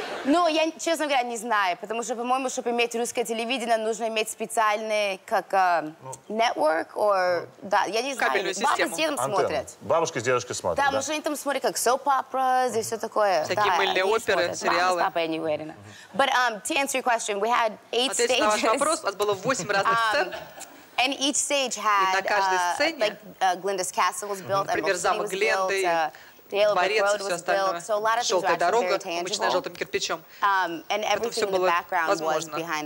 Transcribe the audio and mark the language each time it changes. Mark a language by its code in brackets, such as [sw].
[ru] Ну, я, честно говоря, не знаю, потому что, по-моему, чтобы иметь русское телевидение, нужно иметь специальный, как, network, or, да, я не знаю. Кабельную систему. Бабушка с дедом смотрят. Бабушка с дедушкой смотрят, да. Да, потому что они там смотрят, как soap operas и все такое. Всякие мыльные оперы, сериалы. Мама с папой, я не уверена. [en] But to answer your question, we had 8 stages. [ru] Ответить на ваш вопрос, у нас было 8 разных сцен. [en] And each stage had, [ru] сцене, [en] like, Glinda's castle was built, [ru] например, замок Гленды, Дворец и все остальное. Желтая дорога, обычная желтым кирпичом. Это все было возможно.